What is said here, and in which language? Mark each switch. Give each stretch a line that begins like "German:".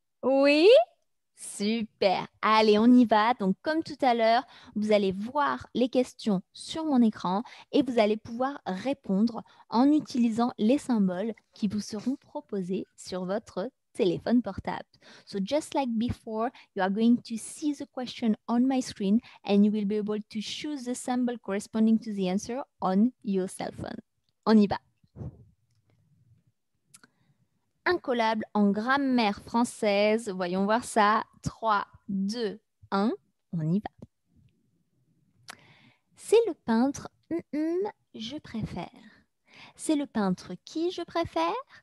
French: Oui? Super. Allez, on y va. Donc, comme tout à l'heure, vous allez voir les questions sur mon écran et vous allez pouvoir répondre en utilisant les symboles qui vous seront proposés sur votre téléphone portable.
English: So, just like before, you are going to see the question on my screen and you will be able to choose the symbol corresponding to the answer on your cell phone.
French: On y va. Incollable en grammaire française. Voyons voir ça. 3, 2, 1, on y va. C'est le peintre je préfère. C'est le peintre qui je préfère.